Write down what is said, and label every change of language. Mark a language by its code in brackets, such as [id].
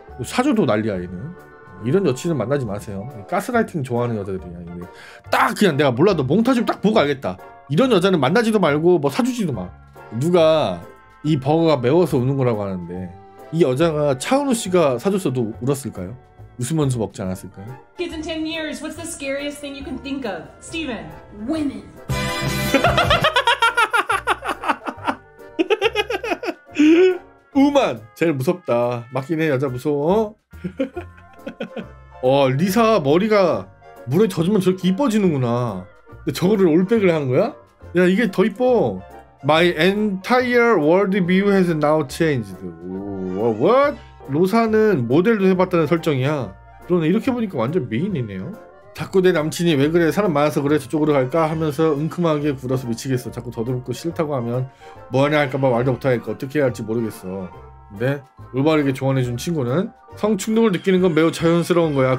[ko] 사줘도 난리야 얘는. 이런 여친은 만나지 마세요. 가스라이팅 좋아하는 여자들이야. 딱 그냥 내가 몰라도 몽타주 딱 보고 알겠다. 이런 여자는 만나지도 말고 뭐 사주지도 마. 누가 이 버거가 매워서 우는 거라고 하는데 이 여자가 차은우 씨가 사줬어도 울었을까요? 웃으면서 먹지 않았을까요? [en] Kids in 10 years, what's the scariest thing you can think of? Steven, women. [ko] 우만, 제일 무섭다. 맞긴 해, 여자 무서워. 어, 리사 머리가 물에 젖으면 저렇게 이뻐지는구나. 근데 저거를 올백을 한 거야? 야, 이게 더 이뻐. [en] My entire world view has now changed. What? [ko] 로사는 모델도 해봤다는 설정이야. 그러네, 이렇게 보니까 완전 미인이네요. 자꾸 내 남친이 왜 그래, 사람 많아서 그래, 저쪽으로 갈까 하면서 은큼하게 굴어서 미치겠어. 자꾸 더듬고 싫다고 하면 뭐하냐 할까봐 말도 못하니까 어떻게 해야 할지 모르겠어. 근데 올바르게 조언해준 친구는 성충동을 느끼는 건 매우 자연스러운 거야.